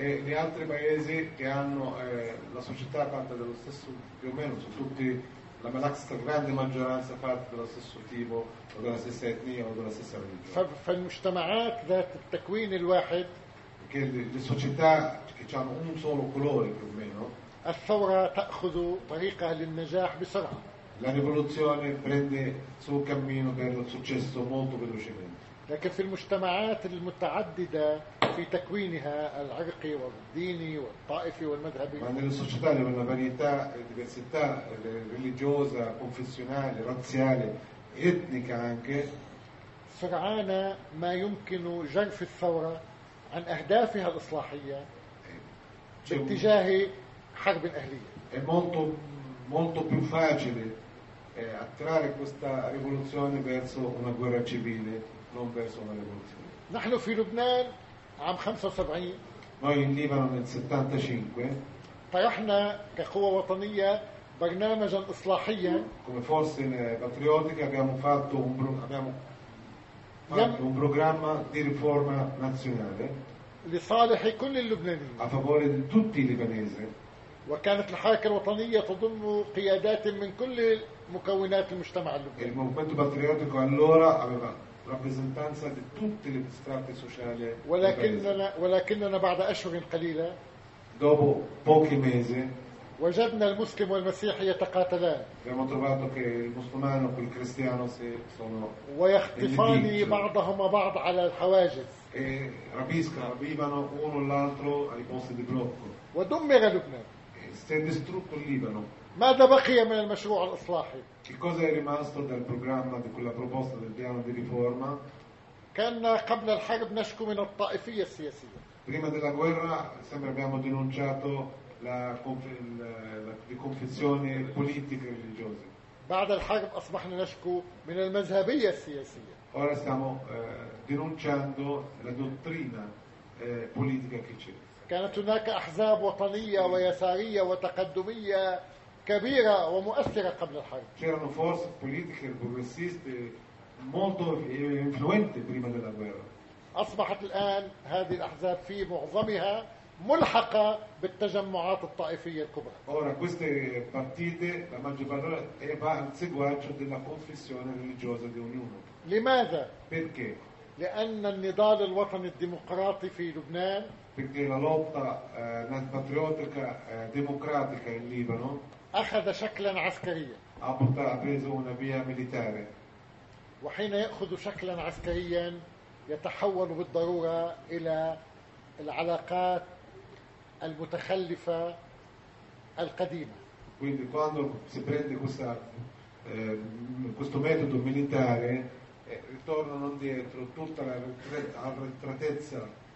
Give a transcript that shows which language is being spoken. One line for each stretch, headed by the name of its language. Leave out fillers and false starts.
Italian: E gli altri paesi che hanno la società fatta dello stesso più o meno su tutti la stragrande maggioranza fatta dello stesso tipo o della stessa etnia o della stessa religione.
Arabic: فالمجتمعات ذات التكوين الواحد.
Italian: Che le società che hanno un solo colore più o meno.
Arabic: الثورة تأخذ طريقة للنجاح بسرعة.
Italian: La rivoluzione prende sul cammino per il successo molto velocemente.
Arabic: لكن في المجتمعات المتعددة في تكوينها العرقي والديني والطائفي والمذهبي.
Italian: Ma nelle società dove la varietà e diversità religiosa, confessionale, razziale, etnica anche.
Arabic: سرعان ما يمكن جرف الثورة عن أهدافها الإصلاحية باتجاه حرب أهلية.
Italian: È molto più facile attrarre questa rivoluzione verso una guerra civile, non verso una rivoluzione.
Arabic: نحن في لبنان عام 75.
Italian: Noi in Libano nel 75.
Arabic: طرحنا كقوة وطنية برنامجا إصلاحيا.
Italian: Come forze patriottiche abbiamo fatto un programma di riforma nazionale.
Arabic: لصالح كل اللبنانيين.
Italian: A favore di tutti i libanesi.
Arabic: وكانت الحركة الوطنية تضم قيادات من كل مكونات المجتمع اللبناني.
Italian: Il movimento patriottico allora aveva rappresentanza di tutti gli strati sociali.
Arabic: ولكننا بعد أشهر قليلة.
Italian: Dopo pochi mesi.
Arabic: وجدنا المسلم والمسيحي يتقاتلان.
Italian: Abbiamo trovato che il musulmano e il cristiano si sono.
Arabic: ويختطفان بعضهم بعض على الحواجز.
Italian: E rapivano uno l'altro ai posti di blocco.
Arabic: ودمر لبنان.
Italian: Si è distrutto il Libano.
Arabic: ماذا بقي من المشروع الإصلاحي؟
Italian: Che cosa è rimasto del programma di quella proposta del piano di riforma?
Arabic: كان قبل الحرب نشكو من الطائفية السياسية.
Italian: Prima della guerra sempre abbiamo denunciato le confessioni politiche e religiose.
Arabic: بعد الحرب أصبحنا نشكو من المذهبية السياسية.
Italian: Ora stiamo denunciando la dottrina politica che c'è.
Arabic: كانت هناك أحزاب وطنية ويسارية وتقدمية كبيرة ومؤثرة قبل الحرب.
Italian: C'erano forze politiche progressiste molto influenti prima della guerra.
Arabic: أصبحت الآن هذه الأحزاب في معظمها ملحقة بالتجمعات الطائفية الكبرى.
Italian: Ora queste partite, la maggior parte, è il seguaggio della confessione religiosa di ognuno.
Arabic: لماذا؟
Italian: Perché?
Arabic: لأن النضال الوطني الديمقراطي في لبنان.
Italian: Perché la lotta patriottica democratica in Libano
Arabic: أخذ شكلا عسكريا.
Italian: Ha preso una via militare.
Arabic: وحين يأخذ شكلا عسكريا يتحول بالضرورة إلى العلاقات المتخلفة القديمة.
Italian: Quindi quando si prende questo metodo militare ritornano indietro tutta la arretratezza.